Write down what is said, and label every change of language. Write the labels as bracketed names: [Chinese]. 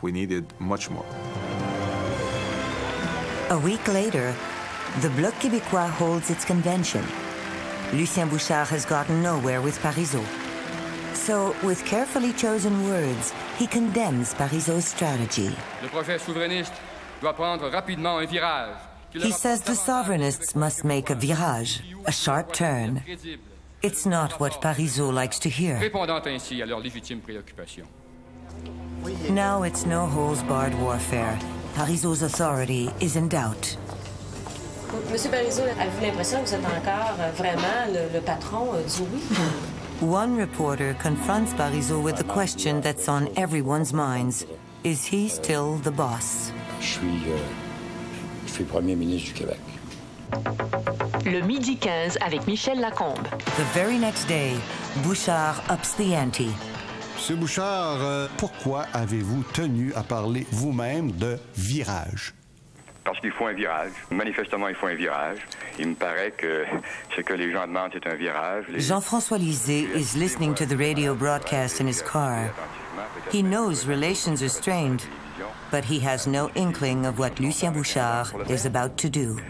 [English] We needed much more. A week later, the Bloc Québécois holds its convention. Lucien Bouchard has gotten nowhere with Parizeau. So, with carefully chosen words, he condemns Parizeau's strategy. [French] Le projet souverainiste doit prendre rapidement un virage. [English] He says the sovereignists must make a virage, a sharp turn. It's not what Parizeau likes to hear. Now it's no holds barred warfare. Parizeau's authority is in doubt. [French] Monsieur Parizeau, avez-vous l'impression que vous êtes encore vraiment le patron du oui? [English] One reporter confronts Parizeau with the question that's on everyone's minds. Is he still the boss? [French] Je suis premier ministre du Québec. Le midi 15 avec Michel Lacombe. [English] The very next day, Bouchard ups the ante. [French] Monsieur Bouchard, pourquoi avez-vous tenu à parler vous-même de virage? Parce qu'il faut un virage. Manifestement, il faut un virage. Il me paraît que ce que les gens demandent, c'est un virage. [English] Jean-François Lisée is listening to the radio broadcast in his car. He knows relations are strained, but he has no inkling of what Lucien Bouchard is about to do.